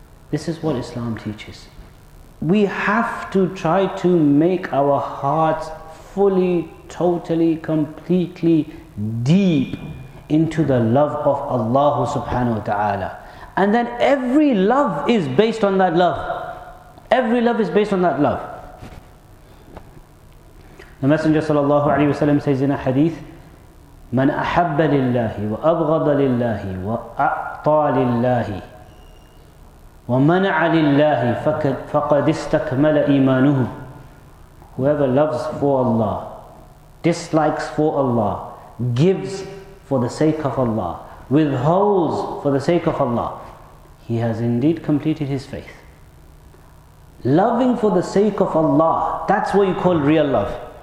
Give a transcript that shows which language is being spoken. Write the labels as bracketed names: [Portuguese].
[English] This is what Islam teaches. We have to try to make our hearts fully, totally, completely deep into the love of Allah subhanahu wa ta'ala. And then every love is based on that love. Every love is based on that love. The Messenger sallallahu alayhi wa sallam says in a hadith, [Arabic] مَنْ أَحَبَّ لِلَّهِ وَأَبْغَضَ لِلَّهِ وَأَعْطَى لِلَّهِ وَمَنَعَ لِلَّهِ فَقَدْ اسْتَكْمَلَ إِيمَانُهُ. [English] Whoever loves for Allah, dislikes for Allah, gives for the sake of Allah, withholds for the sake of Allah, he has indeed completed his faith. Loving for the sake of Allah, that's what you call real love.